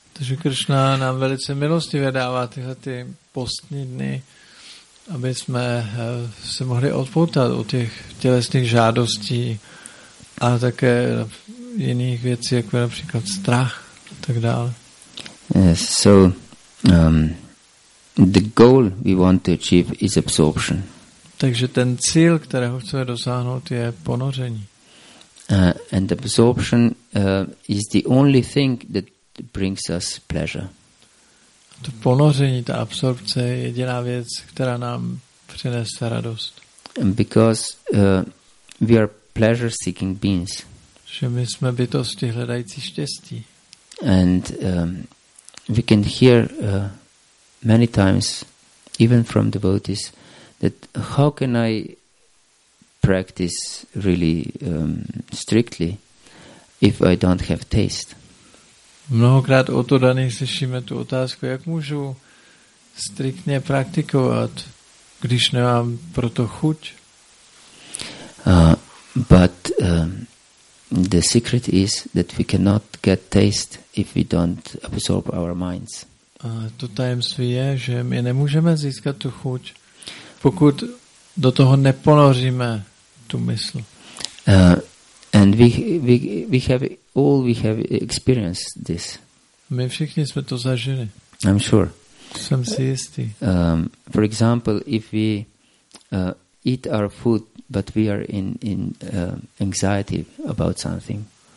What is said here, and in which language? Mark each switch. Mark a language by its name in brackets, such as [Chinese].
[Czech] Takže Krishna nám velice milostivě dává tyhle ty postní dny, aby jsme se mohli odpoutat od těch tělesných žádostí a také jiných věcí, jako je například strach a tak dále. [English] Yes, so the goal we want to achieve is absorption. [Czech] Takže ten cíl, kterého chceme dosáhnout, je ponoření. [English] And absorption is the only thing that brings us pleasure. [Czech] To ponoření, ta absorpce je jediná věc, která nám přinese radost. [English] And because we are pleasure seeking beings. [Czech] Že my jsme bytosti hledající štěstí. [English] And we can hear many times, even from devotees, that how can I practice really strictly if I don't have taste? [Czech] Mnohokrát o to daný slyšíme tu otázku, jak můžu striktně praktikovat, když nemám proto chuť. [English] But the secret is that we cannot get taste if we don't absorb our minds. [Czech] A to tajemství je, že my nemůžeme získat tu chuť, pokud do toho neponoříme tu mysl. [English] And we have experienced this. [Czech] My všichni jsme to zažili. [English] I'm sure. [Czech] Jsem si jistý. [English] For example, if we eat our food, but we are in anxiety about something.